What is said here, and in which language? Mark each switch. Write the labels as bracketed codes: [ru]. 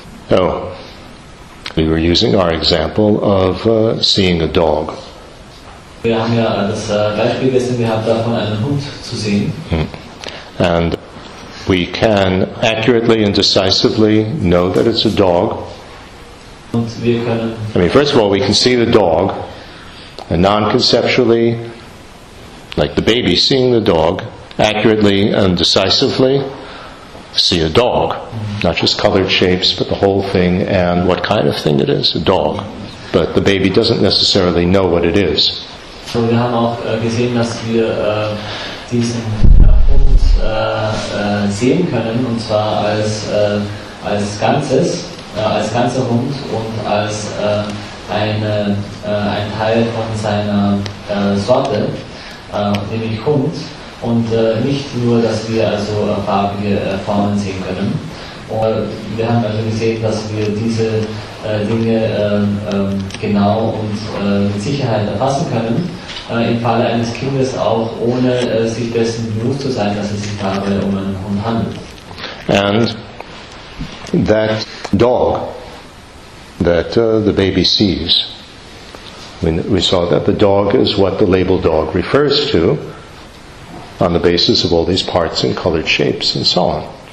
[en] Oh, we were using our example of seeing a dog. [de] Wir haben ja das Beispiel gestern gehabt, davon einen Hund zu sehen. [en] And we can accurately and decisively know that it's a dog. [de] Und wir können, [en] I mean, first of all, we can see the dog, and non-conceptually, like the baby seeing the dog, accurately and decisively, see a dog, not just colored shapes, but the whole thing and what kind of thing it is, a dog. But the baby doesn't necessarily know what it is. [de] So wir haben auch gesehen, dass wir diesen Punkt sehen können, und zwar als Ganzes, als ganzer Hund und als ein Teil von seiner Sorte, nämlich Hund. Und nicht nur, dass wir also farbige Formen sehen können. Und wir haben also gesehen, dass wir diese Dinge genau und mit Sicherheit erfassen können. Im Falle eines Kindes auch, ohne sich dessen bewusst zu sein, dass es sich dabei um einen Hund handelt. [en] And that dog that the baby sees, we saw that the dog is what the label dog refers to, on the basis of all these parts and colored shapes and so on.